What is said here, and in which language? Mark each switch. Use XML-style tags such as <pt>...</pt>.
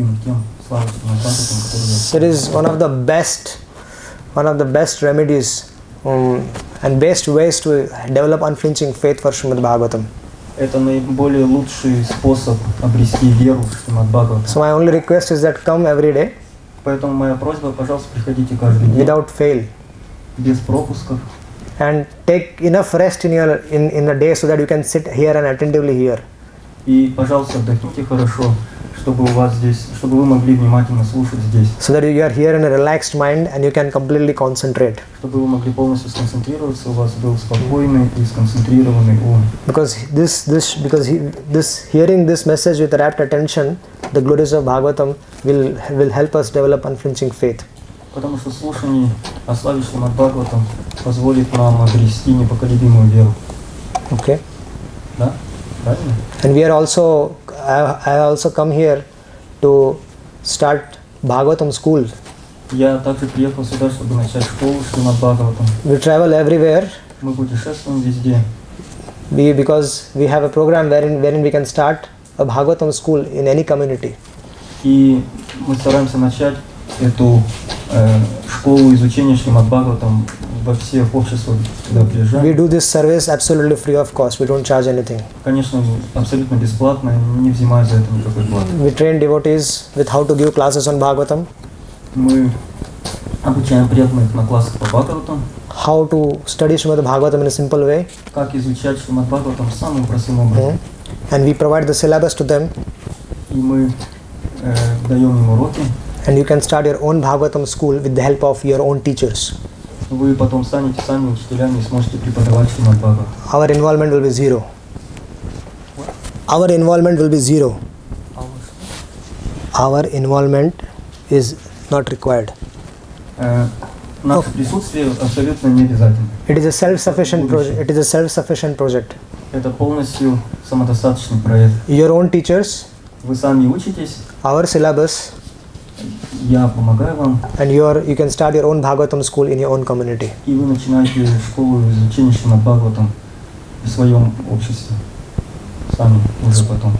<en>It is one of the best remedies and best ways to develop unflinching faith for Srimad Bhagavatam.</en> <ru>Это наиболее лучший способ обрести веру в Шримад Бхагаватам.</ru> <en>So my only request is that come every day.</en> <ru>Поэтому моя просьба, пожалуйста, приходите каждый день.</ru> <en>Without fail.</en> <ru>Без пропусков.</ru> <en>And take enough rest in the day so that you can sit here and attentively hear.</en> <ru>И, пожалуйста, отдохните хорошо, чтобы вы могли внимательно слушать здесь.</ru> <en>So that you are here in a relaxed mind and you can completely concentrate.</en> <ru>Чтобы вы могли полностью сконцентрироваться, у вас был спокойный и сконцентрированный ум.</ru> <en>Because hearing this message with rapt attention, the glories of Bhagavatam will help us develop unflinching faith.</en> <ru>Потому что слушание о славе Шримад Бхагаватам позволит нам обрести непоколебимую веру.</ru> <en>Okay.</en> <ru>Да? Правильно?</ru> <en>And we are also, I also come here to start Bhagavatam school.</en> <ru>Я также приехал сюда, чтобы начать школу Шримад Бхагаватам.</ru> <en>We travel everywhere.</en> <ru>Мы путешествуем везде.</ru> <en>Because we have a program wherein we can start a Bhagavatam school in any community.</en> <ru>И мы стараемся начать эту школу изучения Шримад Бхагаватам во всех обществах, куда приезжаем.</ru> <en>We do this service absolutely free of cost. We don't charge anything.</en> <ru>Конечно, абсолютно бесплатно, не взимая за это никакой платы.</ru> <en>We train devotees with how to give classes on Bhagavatam.</en> <ru>Мы обучаем преданных на классах по Бхагаватам.</ru> <en>How to study Shrimad Bhagavatam in a simple way.</en> <ru>Как изучать Shrimad Bhagavatam самым простым образом.</ru> <en>And we provide the syllabus to them.</en> <ru>И мы даем им уроки.</ru> <en>And you can start your own Bhagavatam school with the help of your own teachers.</en> <ru>Вы потом станете сами учителями и сможете преподавать Shrimad Bhagavatam.</ru> <en>Our involvement will be zero. our involvement will be zero. Our involvement is not required. It is a self-sufficient project. It is a self-sufficient project.</en> <ru>Это полностью самодостаточный проект.</ru> <en>Your own teachers.</en> <ru>Вы сами учитесь.</ru> <en>Our syllabus.</en> <ru>Я помогаю вам.</ru> <en>And you can start your own Bhagavatam school in your own community.</en> <ru>И вы начинаете школу изучения Шримад Бхагаватам в своем обществе. Сами уже потом.</ru>